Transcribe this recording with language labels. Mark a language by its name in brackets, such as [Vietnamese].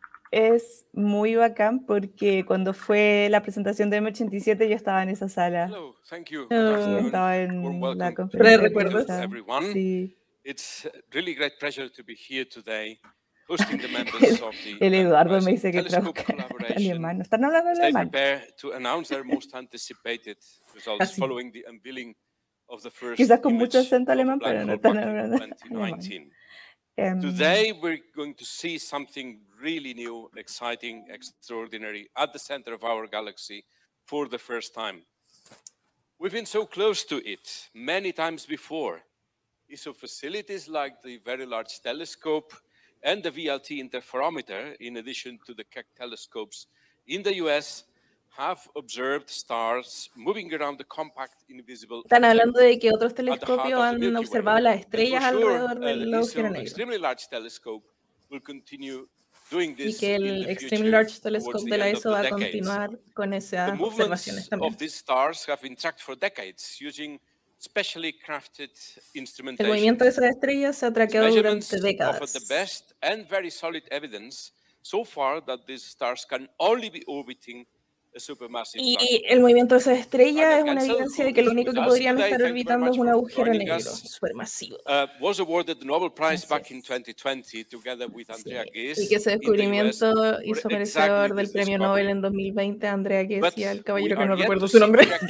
[Spanish] Es muy bacán porque cuando fue la presentación de M87 yo estaba en esa sala. [English] Hello, thank you. [Spanish] Estaba en la conferencia. ¿Recuerdas? Sí. [English] It's really great pleasure to be here today, hosting the members of the [Spanish] El Eduardo me dice que trabaja alemán. ¿Están hablando alemán? [English] They prepare to announce their most anticipated results [Spanish] Así. [English] Following the unveiling. Of the first [Spanish] quizás con mucho acento alemán, pero no tan hablando. [English] Today we're going to see something really new, exciting, extraordinary at the center of our galaxy for the first time. We've been so close to it many times before. ESO facilities like the Very Large Telescope and the VLT interferometer, in addition to the Keck telescopes in the US, have observed stars moving around the compact invisible. [Spanish] Están hablando de que otros telescopios han observado las estrellas alrededor del agujero negro. [English] Extremely Large Telescope will continue doing this. [Spanish] Y que el Extremely Large Telescope de la ESO va a continuar con esas observaciones también. [English] Of these stars have been tracked for decades using specially crafted instrumentation. [Spanish] El movimiento de esas estrellas se ha traqueado durante décadas. [English] Offer the best and very solid evidence so far that these stars can only be orbiting. [Spanish] Y el movimiento de esas estrellas es una evidencia de que lo único que podrían estar orbitando es un agujero negro supermasivo. [English] Was awarded the Nobel Prize back in 2020 together with Andrea Ghez. [Spanish] Y que ese descubrimiento hizo merecedor del premio Nobel en 2020 a Andrea Ghez y al caballero que no recuerdo su nombre.